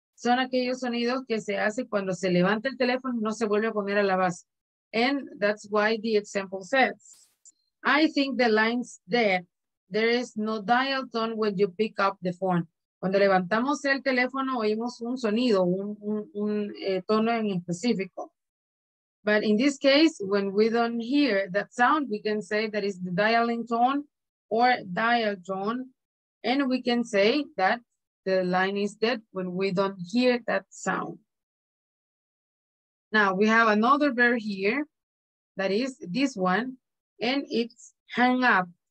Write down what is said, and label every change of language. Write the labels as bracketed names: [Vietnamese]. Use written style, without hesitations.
[Spanish] Son aquellos sonidos que se hace cuando se levanta el teléfono, no se vuelve a poner a la base. [English] And that's why the example says, I think the line's dead. There is no dial tone when you pick up the phone. [Spanish] Cuando levantamos el teléfono, oímos un sonido, un tono en específico. [English] But in this case, when we don't hear that sound, we can say that is the dialing tone or dial tone. And we can say that the line is dead when we don't hear that sound. Now we have another verb here, that is this one, and it's hang up.